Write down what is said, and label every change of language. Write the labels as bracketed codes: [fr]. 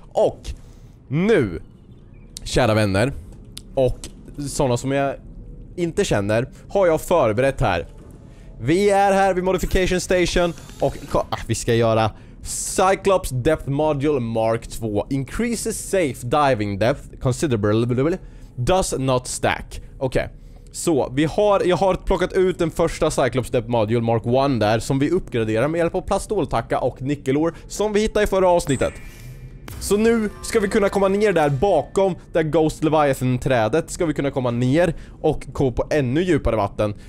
[sv] Och nu, kära vänner och sådana som jag inte känner, har jag förberett här. Vi är här vid Modification Station och vi ska göra Cyclops Depth Module Mark 2. [en] Increases safe diving depth considerably, does not stack. [sv] Okej. Så vi har, jag har plockat ut den första Cyclops Depth Module Mark 1 där, som vi uppgraderar med hjälp av plaståltacka och nickelor som vi hittade i förra avsnittet. Så nu ska vi kunna komma ner där bakom där Ghost Leviathan-trädet, ska vi kunna komma ner och gå på ännu djupare vatten.